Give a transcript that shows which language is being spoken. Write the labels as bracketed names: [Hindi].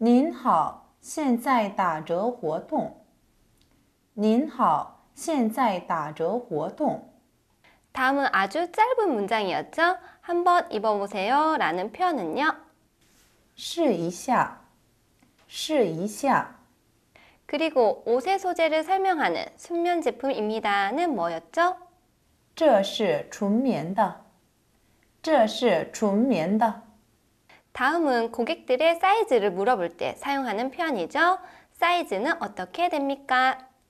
[Chinese] 您好,现在打折活动.您好,现在打折活动. [Korean] 다음은 아주 짧은 문장이었죠. 한번 입어보세요. 라는 표현은요. [Chinese] 试一下.试一下. [Korean] 그리고 옷의 소재를 설명하는 순면 제품입니다는 뭐였죠? [Chinese] 这是纯棉的.这是纯棉的. [Korean] 다음은 고객들의 사이즈를 물어볼 때 사용하는 표현이죠. 사이즈는 어떻게 됩니까?